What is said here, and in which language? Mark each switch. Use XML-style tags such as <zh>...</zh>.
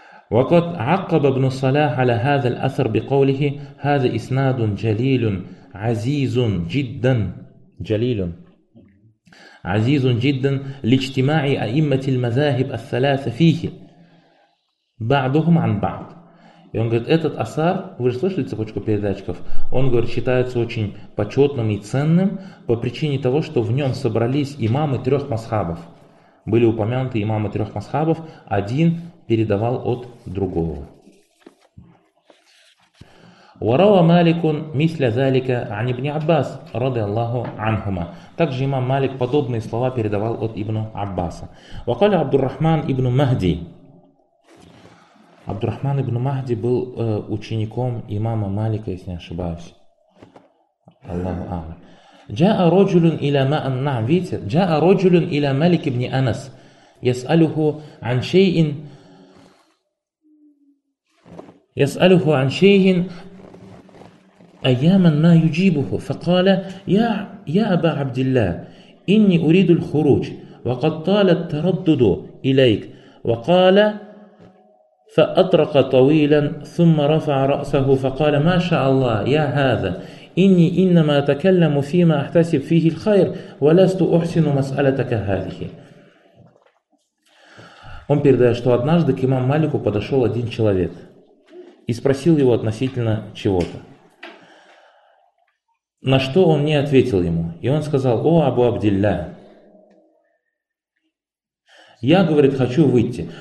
<ar>وقد عقب ابن صلاح على هذا الأثر بقوله هذا إسناد جليل عزيز جدا جليل عزيز جدا لاجتماع أئمة المذاهب الثلاثة فيه بعضهم عن بعض.</ar> <ru>И он говорит, этот асар, вы же слышали цепочку передатчиков, он, говорит, считается очень почетным и ценным по причине того, что в нем собрались имамы трех масхабов. Были упомянуты имамы трех масхабов, один передавал от другого.</ru> <ar>وروى مالك مثل ذلك عن ابن عباس رضي الله عنهما.</ar> <ru>Также имам Малик подобные слова передавал от ابن عباس.</ru> <ar>وقال عبد الرحمن ابن مهدي.</ar> <ru>عبد الرحمن ابن مهدي был учеником имама Малика, если не ошибаюсь.</ru> <ar>Аллаху а'лам. جاء رجل الى ما نعم</ar> <ru>видите,</ru> <ar>جاء رجل الى مالك ابن انس يساله عن شيء يساله عن شيء أياما ما يجيبه فقال يا أبا عبد الله إني أريد الخروج وقد طال التردد إليك وقال فأطرق طويلا ثم رفع رأسه فقال ما شاء الله يا هذا إني إنما أتكلم فيما أحتسب فيه الخير ولست أحسن مسألتك هذه.</ar> <ru>Он передает, что однажды к имаму Малику подошел один человек и спросил его относительно чего-то. На что он не ответил ему. И он сказал: «О, Абу Абдилля, я, говорит, хочу выйти».</ru>